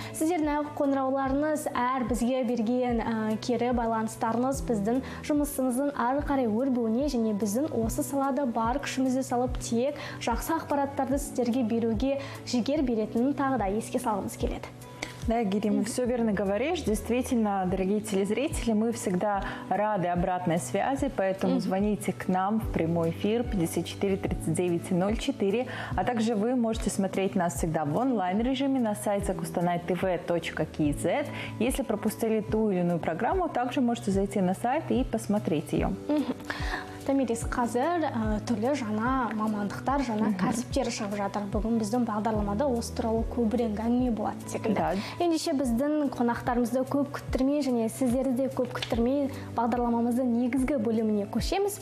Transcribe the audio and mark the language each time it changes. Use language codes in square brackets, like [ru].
[kk] Сіздердің қоңырауларыңыз әр бізге берген кері байланыстарыңыз біздің жұмысымыздың ары қарай өрбуіне және біздің осы салада бар күшімізді салып тек жақсы ақпараттарды сіздерге беруге жігер беретінін тағы да еске салғымыз келеді. [ru] Да, Герим, все верно говоришь. Действительно, дорогие телезрители, мы всегда рады обратной связи, поэтому звоните к нам в прямой эфир 54-39-04. А также вы можете смотреть нас всегда в онлайн-режиме на сайте kustanaytv.kz. Если пропустили ту или иную программу, также можете зайти на сайт и посмотреть ее. [kk] Тамирис, қазір түрлі жаңа мамандықтар, жаңа кәсіптер шығып жатыр. Бүгін біздің бағдарламада осы туралы көбірек әңгіме болады секілді. Ендеше біздің қонақтарымызды көп күттірмей және сіздерді де көп күттірмей бағдарламамыздың негізгі бөліміне көшеміз.